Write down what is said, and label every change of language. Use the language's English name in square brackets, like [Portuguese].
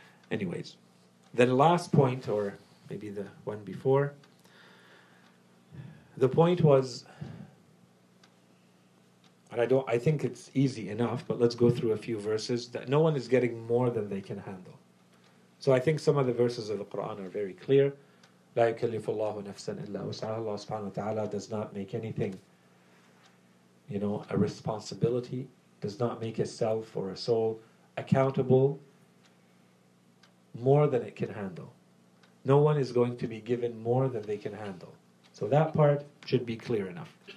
[English] Anyways, the last point, or maybe the one before, the point was, and I think it's easy enough, but let's go through a few verses, that no one is getting more than they can handle. So I think some of the verses of the Quran are very clear. [Arabic] لا يكلف الله نفسا إلا وسعها. [English] Allah subhanahu wa ta'ala does not make anything, you know, a responsibility, does not make a self or a soul accountable more than it can handle. No one is going to be given more than they can handle. So that part should be clear enough.